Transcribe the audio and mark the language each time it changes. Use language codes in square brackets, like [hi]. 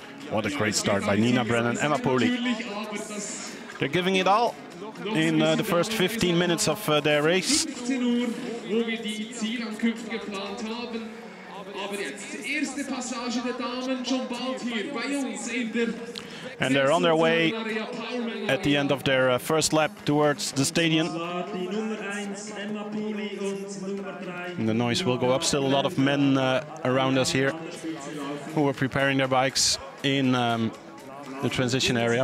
[en] What a great start by Nina Brenn and Emma Pooley. They're giving it all in the first 15 minutes of their race. [de] Wo wir die Zielankünfte geplant haben. Aber jetzt die erste Passage der Damen schon bald hier bei uns in der. [en] And they're on their way at the end of their first lap towards the stadium. And the noise will go up. Still a lot of men around us here who are preparing their bikes in the transition area.